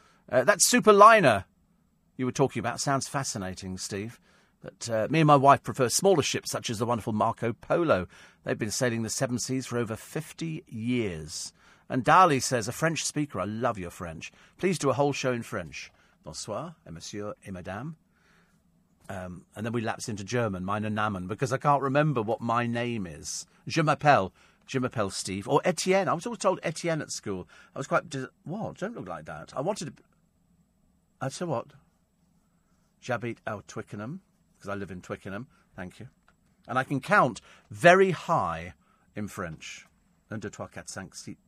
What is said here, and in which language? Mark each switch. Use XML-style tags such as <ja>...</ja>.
<en>That super liner you were talking about sounds fascinating, Steve. But me and my wife prefer smaller ships such as the wonderful Marco Polo. They've been sailing the seven seas for over 50 years. And Dali says, a French speaker, I love your French. Please do a whole show in French.</en> <fr>Bonsoir, et monsieur, et madame.</fr> <en>And then we lapse into German,</en> <de>meine Namen,</de> <en>because I can't remember what my name is.</en> <fr>Je m'appelle Steve, or Etienne.</fr> <en>I was always told Etienne at school. I was quite... What? Don't look like that. I wanted to... I'd say what?</en> <fr>J'habite au Twickenham,</fr> <en>because I live in Twickenham. Thank you. And I can count very high in French. 1, 2, 3, 4, 5, 6,</en>